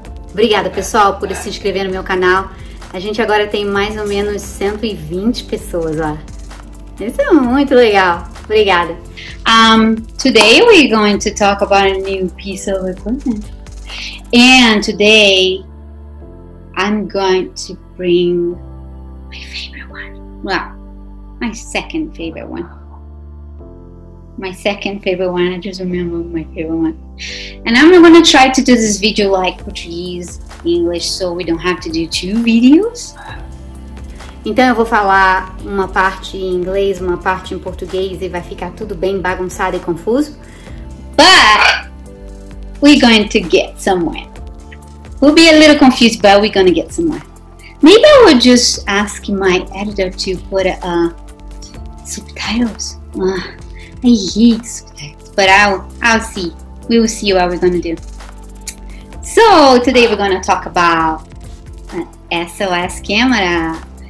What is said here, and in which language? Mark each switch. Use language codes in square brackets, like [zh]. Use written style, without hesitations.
[pt] Obrigada, pessoal, por se inscrever no meu canal. A gente agora tem mais ou menos 120 pessoas lá. Isso é muito legal. Obrigada. [en] Today we're going to talk about a new piece of equipment. And today I'm going to bring my favorite one. Well, my second favorite one. My second favorite one. I just remember my favorite one. And I'm going to try to do this video like Portuguese, English, so we don't have to do two videos. [pt] Então eu vou falar uma parte em inglês, uma parte em português e vai ficar tudo bem bagunçado e confuso. [en] But we're going to get somewhere. We'll be a little confused, but we're going to get somewhere. Maybe I would just ask my editor to put subtitles. I hate subtitles, but I'll see. We will see what we're going to do. So today we're going to talk about an SOS camera.